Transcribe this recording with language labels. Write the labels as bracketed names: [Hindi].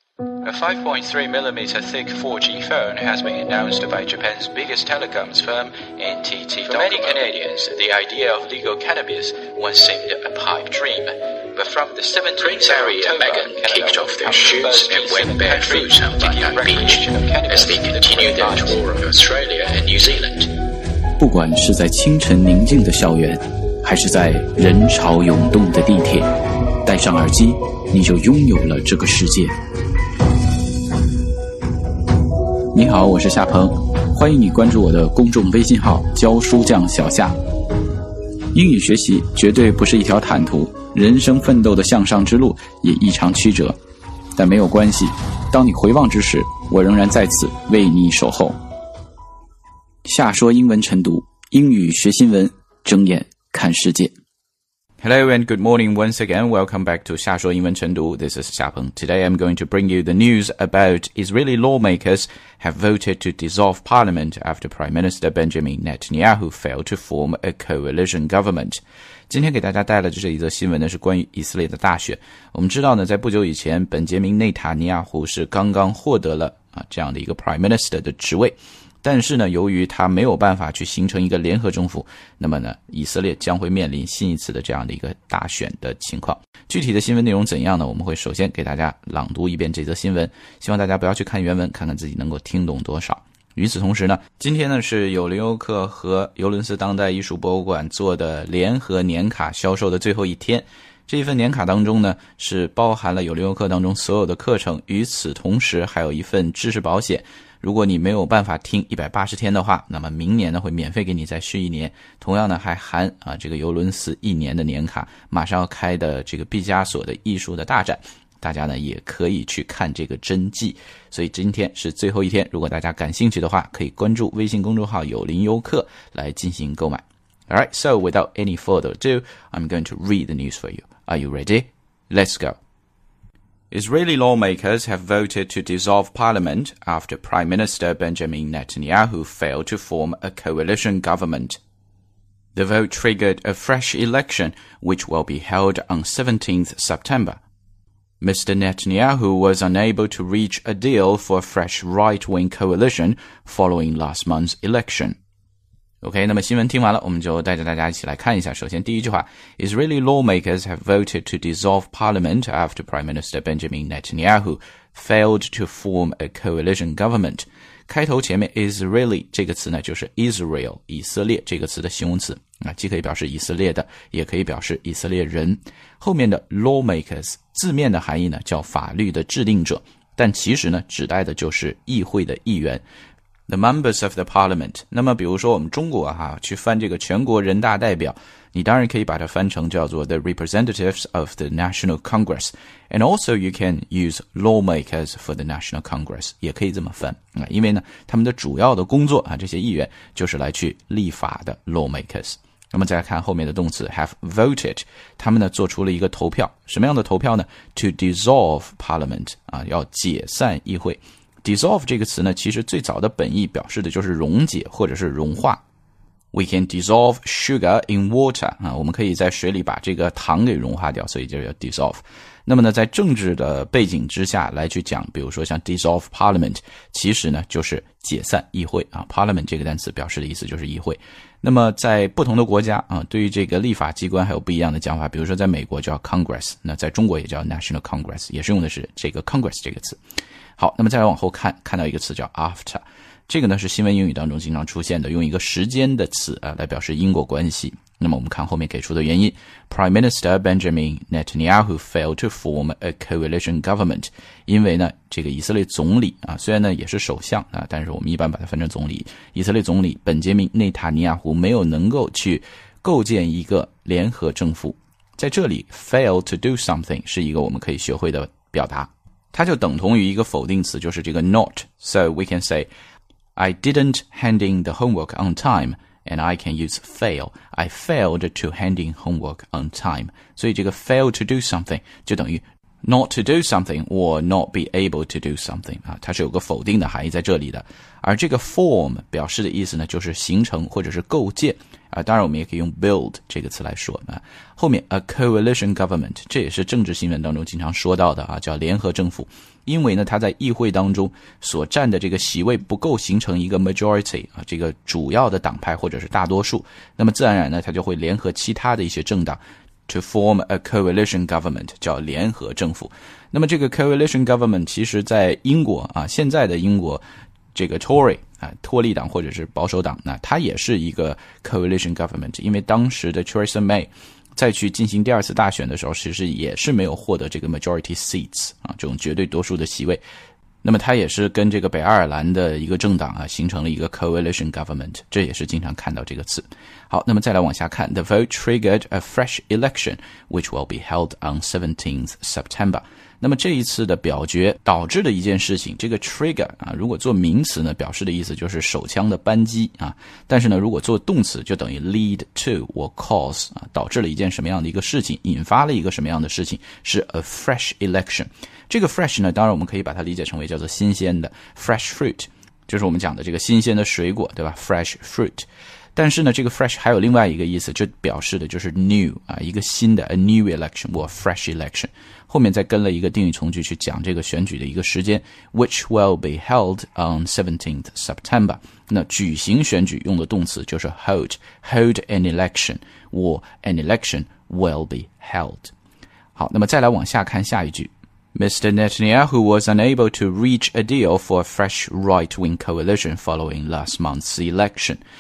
[English] A 5.3mm thick 4G phone has been announced by Japan's biggest telecoms firm, NTT Docomo. For many Canadians, the idea of legal cannabis once seemed a pipe dream. But from the 17th area, Megan kicked off their shoes and went barefoot on Bundang Beach as they continued their tour of Australia and New Zealand. [Chinese] 不管是在清晨宁静的校园，还是在人潮涌动的地铁，戴上耳机，你就拥有了这个世界。你好，我是夏鹏，欢迎你关注我的公众微信号教书匠小夏。英语学习绝对不是一条坦途，人生奋斗的向上之路也异常曲折，但没有关系，当你回望之时，我仍然在此为你守候。夏说英文晨读，英语学新闻，睁眼看世界。 [English] Hello and good morning once again. Welcome back to 夏说英文晨读. This is 夏鹏. Today I'm going to bring you the news about Israeli lawmakers have voted to dissolve parliament after Prime Minister Benjamin Netanyahu failed to form a coalition government. [Chinese] 今天给大家带来的这一则新闻呢，是关于以色列的大选。我们知道呢，在不久以前，本杰明内塔尼亚胡是刚刚获得了这样的一个 Prime Minister 的职位。但是呢，由于他没有办法去形成一个联合政府，那么呢，以色列将会面临新一次的这样的一个大选的情况。具体的新闻内容怎样呢？我们会首先给大家朗读一遍这则新闻，希望大家不要去看原文，看看自己能够听懂多少。与此同时呢，今天呢是有林欧克和尤伦斯当代艺术博物馆做的联合年卡销售的最后一天。这一份年卡当中呢，是包含了有林欧克当中所有的课程，与此同时还有一份知识保险。如果你没有办法听180天的话，那么明年呢会免费给你再续一年。同样呢还含这个尤伦斯一年的年卡，马上要开的这个毕加索的艺术的大展，大家呢也可以去看这个真迹。所以今天是最后一天，如果大家感兴趣的话，可以关注微信公众号有林游客来进行购买。 [English] Alright, so without any further ado, I'm going to read the news for you. Are you ready? Let's go. Israeli lawmakers have voted to dissolve parliament after Prime Minister Benjamin Netanyahu failed to form a coalition government. The vote triggered a fresh election, which will be held on 17th September. Mr. Netanyahu was unable to reach a deal for a fresh right-wing coalition following last month's election. [Chinese] OK, 那么新闻听完了，我们就带着大家一起来看一下。首先第一句话， [English] Israeli lawmakers have voted to dissolve parliament after Prime Minister Benjamin Netanyahu failed to form a coalition government. [Chinese] 开头前面 Israeli 这个词呢，就是 Israel, 以色列这个词的形容词，既可以表示以色列的，也可以表示以色列人。后面的 lawmakers, 字面的含义呢，叫法律的制定者，但其实呢，指代的就是议会的议员。 [English] The members of the parliament. [Chinese] 那么比如说我们中国啊，去翻这个全国人大代表，你当然可以把它翻成叫做 [English] the representatives of the National Congress. And also you can use lawmakers for the National Congress. [Chinese] 也可以这么翻，因为呢他们的主要的工作啊，这些议员就是来去立法的 lawmakers. 那么再来看后面的动词 have voted. 他们呢做出了一个投票。什么样的投票呢？ [English] To dissolve parliament. [Chinese] 啊，要解散议会。 Dissolve 这个词呢，其实最早的本意表示的就是溶解或者是融化。 [English] We can dissolve sugar in water. [Chinese] 啊，我们可以在水里把这个糖给融化掉，所以就叫 dissolve。那么呢，在政治的背景之下来去讲，比如说像 dissolve parliament, 其实呢就是解散议会啊。 Parliament 这个单词表示的意思就是议会。那么在不同的国家啊，对于这个立法机关还有不一样的讲法，比如说在美国叫 Congress, 那在中国也叫 National Congress, 也是用的是这个 Congress 这个词。好，那么再来往后看，看到一个词叫 after, 这个呢是新闻英语当中经常出现的，用一个时间的词啊来表示因果关系。那么我们看后面给出的原因 ， [English] Prime Minister Benjamin Netanyahu failed to form a coalition government, [Chinese] 因为呢这个以色列总理啊，虽然呢也是首相啊，但是我们一般把它分成总理，以色列总理本杰明内塔尼亚胡没有能够去构建一个联合政府。在这里 ，fail to do something 是一个我们可以学会的表达。它就等同于一个否定词，就是这个 not. [English] So we can say, I didn't hand in the homework on time, and I can use fail. I failed to hand in homework on time. [Chinese] 所以这个 [English] fail to do something [Chinese] 就等于 [English] not to do something or not be able to do something. [Chinese] 它是有个否定的含义在这里的。而这个 form 表示的意思呢，就是形成或者是构建。当然我们也可以用 build 这个词来说。后面 a coalition government, 这也是政治新闻当中经常说到的啊，叫联合政府。因为呢他在议会当中所占的这个席位不够形成一个 majority 啊，这个主要的党派或者是大多数，那么自然而然呢他就会联合其他的一些政党 [English] to form a coalition government， [Chinese] 叫联合政府。那么这个 coalition government 其实在英国啊，现在的英国这个 Tory 啊，托利党或者是保守党，那他也是一个 coalition government， 因为当时的 Theresa May再去进行第二次大选的时候，其实也是没有获得这个 majority seats 啊，这种绝对多数的席位。那么他也是跟这个北爱尔兰的一个政党啊，形成了一个 coalition government， 这也是经常看到这个词。好，那么再来往下看 [English] ，The vote triggered a fresh election which will be held on 17th September。 [Chinese] 那么这一次的表决导致的一件事情，这个 trigger 啊，如果做名词呢，表示的意思就是手枪的扳机啊。但是呢，如果做动词，就等于 [English] lead to or cause [Chinese] 啊，导致了一件什么样的一个事情，引发了一个什么样的事情，是 a fresh election。这个 fresh 呢，当然我们可以把它理解成为叫做新鲜的 fresh fruit， 就是我们讲的这个新鲜的水果，对吧 ？fresh fruit。但是呢，这个 fresh 还有另外一个意思，就表示的就是 new 啊，一个新的 [English] a new election or fresh election。 [Chinese] 后面再跟了一个定语从句去讲这个选举的一个时间 ，which will be held on 17th September。那举行选举用的动词就是 [English] hold an election or an election will be held。 [Chinese] 好，那么再来往下看下一句 ，Mr. [English] Netanyahu was unable to reach a deal for a fresh right-wing coalition following last month's election。